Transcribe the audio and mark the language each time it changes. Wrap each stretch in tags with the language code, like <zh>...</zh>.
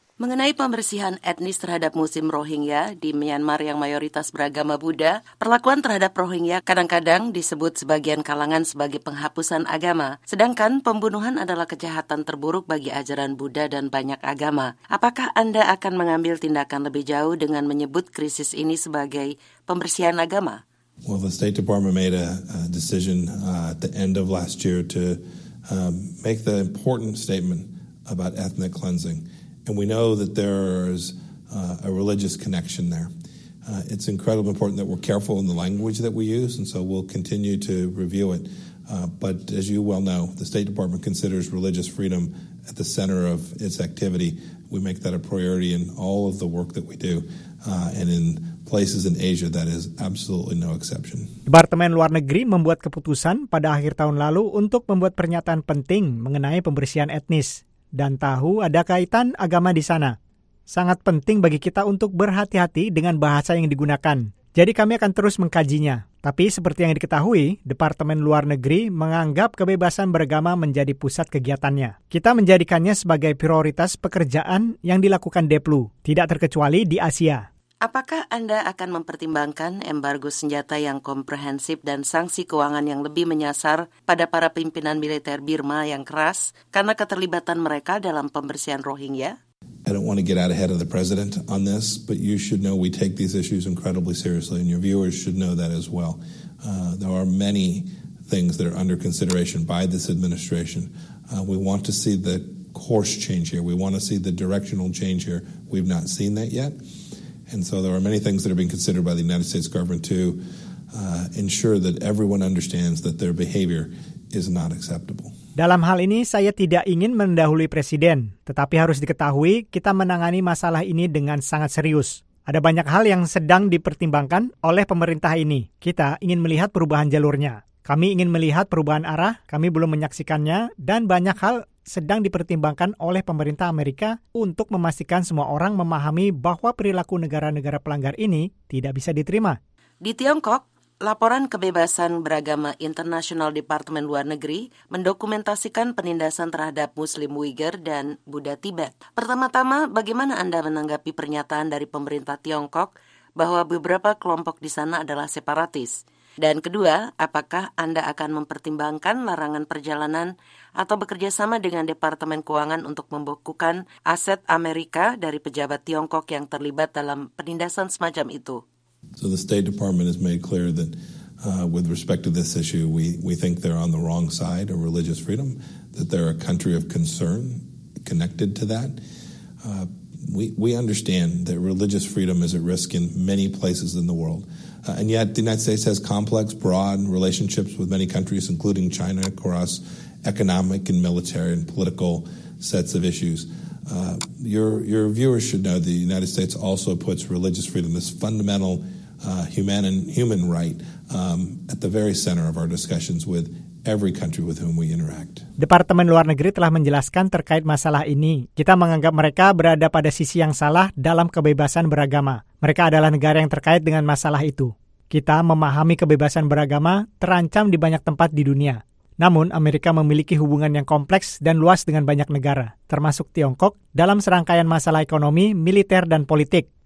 <id>Mengenai pembersihan etnis terhadap muslim Rohingya di Myanmar yang mayoritas beragama Buddha, perlakuan terhadap Rohingya kadang-kadang disebut sebagian kalangan sebagai penghapusan agama. Sedangkan pembunuhan adalah kejahatan terburuk bagi ajaran Buddha dan banyak agama. Apakah Anda akan mengambil tindakan lebih jauh dengan menyebut krisis ini sebagai pembersihan agama?</id> <en>Well, the State Department made a decision at the end of last year to make the important statement about ethnic cleansing. And we know that there's a religious connection there. It's incredibly important that we're careful in the language that we use, and so we'll continue to review it. But as you well know, the State Department considers religious freedom at the center of its activity. We make that a priority in all of the work that we do. And in places in Asia, that is absolutely no exception.</en> <id>Departemen Luar Negeri membuat keputusan pada akhir tahun lalu untuk membuat pernyataan penting mengenai pembersihan etnis. Dan tahu ada kaitan agama di sana. Sangat penting bagi kita untuk berhati-hati dengan bahasa yang digunakan. Jadi kami akan terus mengkajinya. Tapi seperti yang diketahui, Departemen Luar Negeri menganggap kebebasan beragama menjadi pusat kegiatannya. Kita menjadikannya sebagai prioritas pekerjaan yang dilakukan DEPLU, tidak terkecuali di Asia. Apakah Anda akan mempertimbangkan embargo senjata yang komprehensif dan sanksi keuangan yang lebih menyasar pada para pimpinan militer Burma yang keras karena keterlibatan mereka dalam pembersihan Rohingya?</id> <en>I don't want to get out ahead of the president on this, but you should know we take these issues incredibly seriously, and your viewers should know that as well. There are many things that are under consideration by this administration. We want to see the course change here. We want to see the directional change here. We've not seen that yet. And so there are many things that are being considered by the United States government to ensure that everyone understands that their behavior is not acceptable.</en> <id>Dalam hal ini, saya tidak ingin mendahului presiden, tetapi harus diketahui kita menangani masalah ini dengan sangat serius. Ada banyak hal yang sedang dipertimbangkan oleh pemerintah ini. Kita ingin melihat perubahan jalurnya. Kami ingin melihat perubahan arah, kami belum menyaksikannya, dan banyak hal sedang dipertimbangkan oleh pemerintah Amerika untuk memastikan semua orang memahami bahwa perilaku negara-negara pelanggar ini tidak bisa diterima. Di Tiongkok, laporan kebebasan beragama International Departemen Luar Negeri mendokumentasikan penindasan terhadap Muslim Uyghur dan Buddha Tibet. Pertama-tama, bagaimana Anda menanggapi pernyataan dari pemerintah Tiongkok bahwa beberapa kelompok di sana adalah separatis? Dan kedua, apakah Anda akan mempertimbangkan larangan perjalanan atau bekerja sama dengan Departemen Keuangan untuk membekukan aset Amerika dari pejabat Tiongkok yang terlibat dalam penindasan semacam itu?</id> <en>So the State Department has made clear that with respect to this issue, we think they're on the wrong side of religious freedom, that they're a country of concern connected to that. We understand that religious freedom is at risk in many places in the world. And yet the United States has complex, broad relationships with many countries, including China, across economic and military and political sets of issues. Your viewers should know the United States also puts religious freedom, this fundamental human right, at the very center of our discussions with every country with whom we interact.</en> <id>Departemen Luar Negeri telah menjelaskan terkait masalah ini. Kita menganggap mereka berada pada sisi yang salah dalam kebebasan beragama. Mereka adalah negara yang terkait dengan masalah itu. Kita memahami kebebasan beragama terancam di banyak tempat di dunia. Namun, Amerika memiliki hubungan yang kompleks dan luas dengan banyak negara, termasuk Tiongkok, dalam serangkaian masalah ekonomi, militer, dan politik.</id>